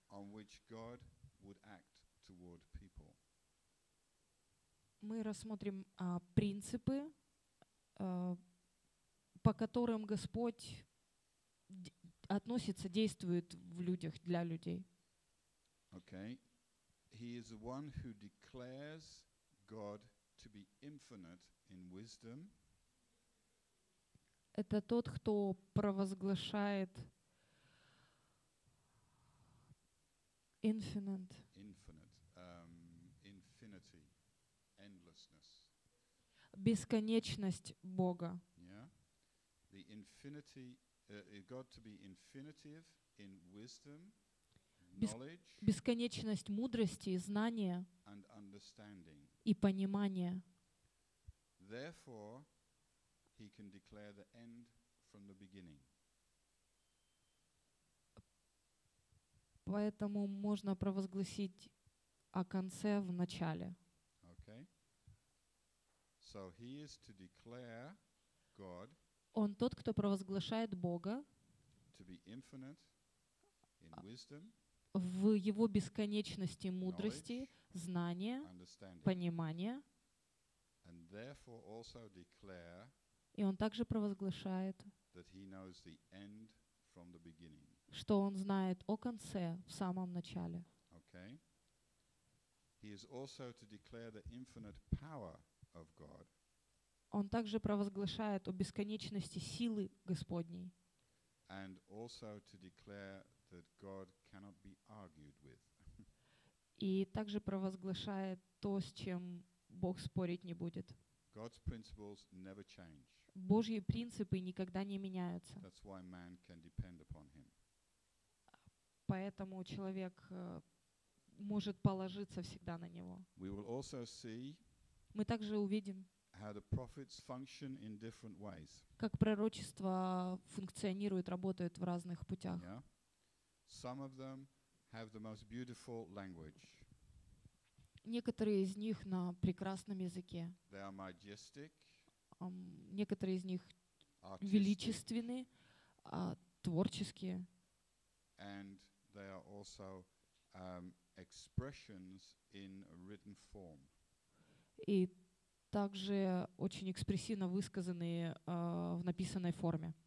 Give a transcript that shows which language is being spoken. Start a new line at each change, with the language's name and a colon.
English: on which God would act toward people.
Russian: Мы рассмотрим принципы, по которым Господь относится, действует в людях, для людей.
English: Okay. He is the one who declares God to be infinite in wisdom.
Russian: Это тот, кто провозглашает infinite.
English: Infinite. Infinity. Endlessness.
Russian: Бесконечность Бога.
English: Yeah. The infinity, God to be infinitive in wisdom, knowledge,
Russian: бесконечность мудрости, знания
English: and understanding.
Russian: И понимания.
English: Therefore, he can declare the end from the beginning.
Russian: Поэтому можно провозгласить о конце в начале.
English: Okay. So he is to declare God.
Russian: Он тот, кто провозглашает Бога
English: to be infinite in wisdom,
Russian: в его бесконечности мудрости, знания, понимания.
English: And therefore also declare,
Russian: и он также провозглашает,
English: that he knows the end from the beginning.
Russian: Что он знает о конце, в самом начале.
English: Okay. He is also to declare the infinite power of God.
Russian: Он также провозглашает о бесконечности силы Господней.
English: And also to declare that God cannot be argued with.
Russian: И также провозглашает то, с чем Бог спорить не будет.
English: God's principles never change.
Russian: Божьи принципы никогда не меняются.
English: That's why man can depend upon him.
Russian: Поэтому человек может положиться всегда на него.
English: We will also see,
Russian: мы также увидим,
English: how the prophets function in different ways.
Russian: Как пророчества функционируют, работают в разных путях.
English: Yeah. Some of them have the most beautiful language.
Russian: Некоторые из них на прекрасном языке.
English: They are majestic.
Russian: Некоторые из них
English: artistic,
Russian: величественны, творческие.
English: And they are also expressions in written form.
Russian: И также очень экспрессивно высказанные в написанной форме.